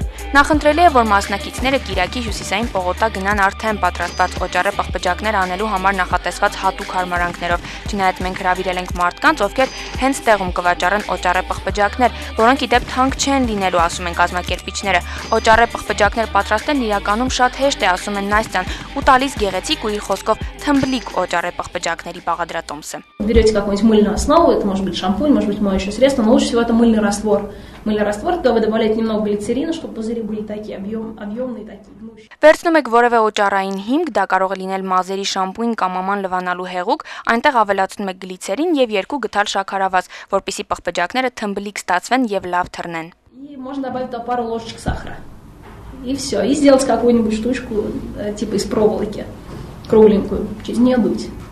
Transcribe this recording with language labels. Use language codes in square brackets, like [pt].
[hy] Նախընտրելի է, որ մասնակիցները Կիրակի հյուսիսային պողոտա գնան արդեն պատրաստված օճառե պղպջակներ անելու համար նախատեսված հատուկ հարմարանքներով։ Չնայած մենք հրավիրել ենք մարդկանց, ովքեր հենց տեղում կվաճառեն օճառե պղպջակներ, որոնք ի դեպ թանկ չեն լինելու, ասում են կազմակերպիչները։ Օճառե պղպջակներ պատրաստելն իրականում շատ հեշտ է, ասում են Նաստյան, ու տալիս գեղեցիկ ու իր խոսքով թմբլիկ օճառե պղպջակների բաղադրատոմսը։ [ru] Берете какую-нибудь мыльную основу, это может быть шампунь, может быть моющее средство, но лучше всего это мыльный раствор. Мыльный раствор, то вы добавляете немного глицерина, чтобы пузыри были такие объемные, такие гнущие. [hy] Վերցնում եք որևէ օճառային հիմք, դա կարող է լինել մազերի շամպուին կամ աման լվանալու հեղուկ, այնտեղ ավելացնում եք գլիցերին եւ երկու գդալ շաքարավազ, որպեսզի պղպջակները թմբլիկ ստացվեն եւ լավ թռնեն։ [ru] И можно добавить туда пару ложечек сахара. И всё, и сделать какую-нибудь штучку типа из проволоки, кругленькую, через неё дуть.